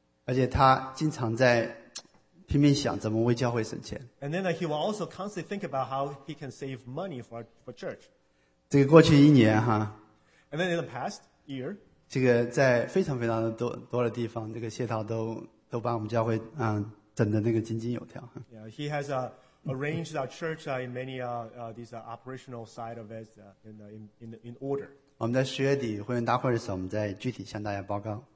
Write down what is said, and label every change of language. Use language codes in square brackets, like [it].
[zh] 而且他经常在拼命想怎么为教会省钱。 [en] And then he will also constantly think about how he can save money for church. [zh] 这个过去一年哈。 [en] And then in the past year. [zh] 这个在非常非常的多的地方，这个谢涛都把我们教会整得那个井井有条。 [en] Yeah, he has arranged our church in many these operational side of it in order. [zh] 我们在十月底会员大会的时候，我们再具体向大家报告。